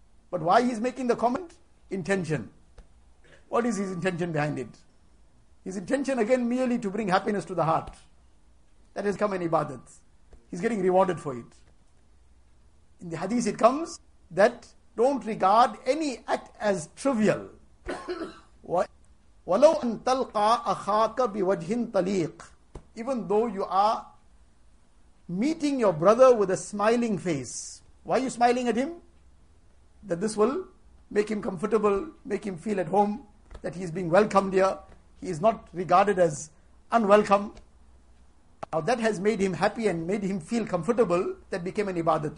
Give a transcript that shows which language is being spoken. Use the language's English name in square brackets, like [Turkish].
[English] But why he's making the comment? Intention. What is his intention behind it? His intention, again, merely to bring happiness to the heart. That has come an ibadat. He's getting rewarded for it. In the hadith it comes that don't regard any act as trivial. [Arabic] وَلَوْ أَن تَلْقَى أَخَاكَ بِوَجْهٍ طَلِيقٍ. [English] Even though you are meeting your brother with a smiling face. Why are you smiling at him? That this will make him comfortable, make him feel at home, that he is being welcomed here. He is not regarded as unwelcome. Now that has made him happy and made him feel comfortable. That became an ibadat.